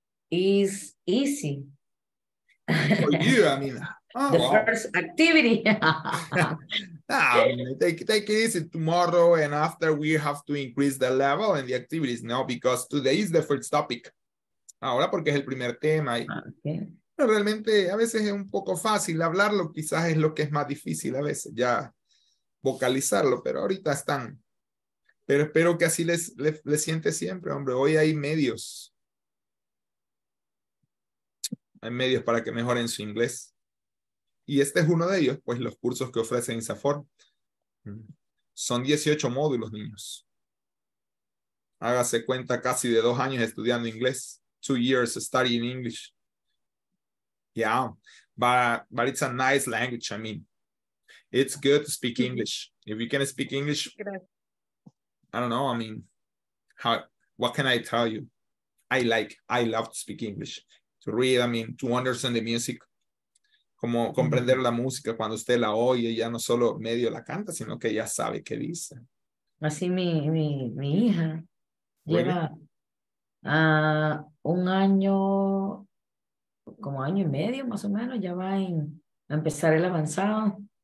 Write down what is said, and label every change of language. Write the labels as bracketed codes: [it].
[en] It's easy. For you, I mean. Oh, the first activity. Nah, take it easy tomorrow and after we have to increase the level and the activities now because today is the first topic. [es] ahora porque es el primer tema. Y, okay. Pero realmente a veces es un poco fácil hablarlo, quizás es lo que es más difícil a veces, ya vocalizarlo, pero ahorita están. Pero espero que así les siente siempre, hombre. Hoy hay medios. Hay medios para que mejoren su inglés. Y este es uno de ellos, pues los cursos que ofrece INSAFOR. Son 18 módulos, niños. Hágase cuenta, casi de 2 años estudiando inglés. [en] 2 years studying English. Yeah, but it's a nice language, I mean. It's good to speak English. If you can speak English, I don't know, I mean, what can I tell you? I love to speak English. To read, I mean, to understand the music. [es] Como comprender la música cuando usted la oye, ya no solo medio la canta, sino que ya sabe qué dice. Así mi hija lleva un año, como año y medio más o menos, ya va a empezar el avanzado.